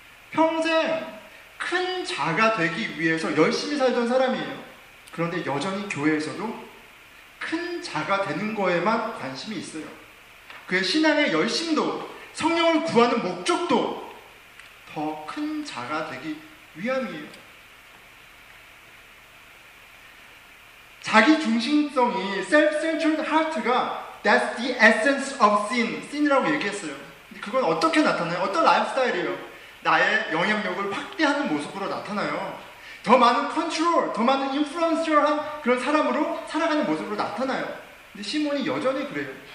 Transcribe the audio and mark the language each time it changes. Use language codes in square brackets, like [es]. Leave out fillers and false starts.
[ko] 평생 큰 자가 되기 위해서 열심히 살던 사람이에요. 그런데 여전히 교회에서도 큰 자가 되는 거에만 관심이 있어요. 그의 신앙의 열심도, 성령을 구하는 목적도 더 큰 자가 되기 위함이에요. 자기 중심성이, [en] self-centered heart가 That's the essence of sin. [ko] Sin이라고 얘기했어요. 근데 그건 어떻게 나타나요? 어떤 라이프스타일이에요? 나의 영향력을 확대하는 모습으로 나타나요. 더 많은 컨트롤, 더 많은 인플루언셜한 그런 사람으로 살아가는 모습으로 나타나요. 근데 시몬이 여전히 그래요.